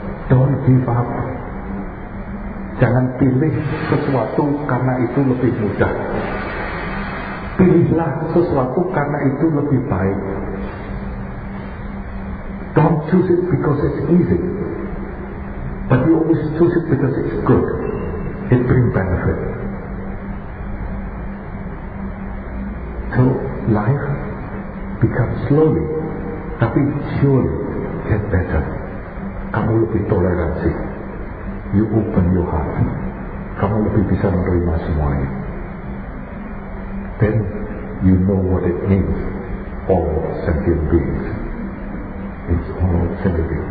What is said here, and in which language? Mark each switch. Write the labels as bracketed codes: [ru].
[en] Don't give up. [id] Jangan pilih sesuatu karena itu lebih mudah. Pilihlah sesuatu karena itu lebih baik. [en] Don't choose it because it's easy. But you always choose it because it's good. It brings benefit. So life becomes slowly, tapi surely get better. [id] Kamu lebih toleransi. [en] You open your heart. [id] Kamu lebih bisa menerima semuanya. [en] Then you know what it means. All sentient beings. It's all sentient beings.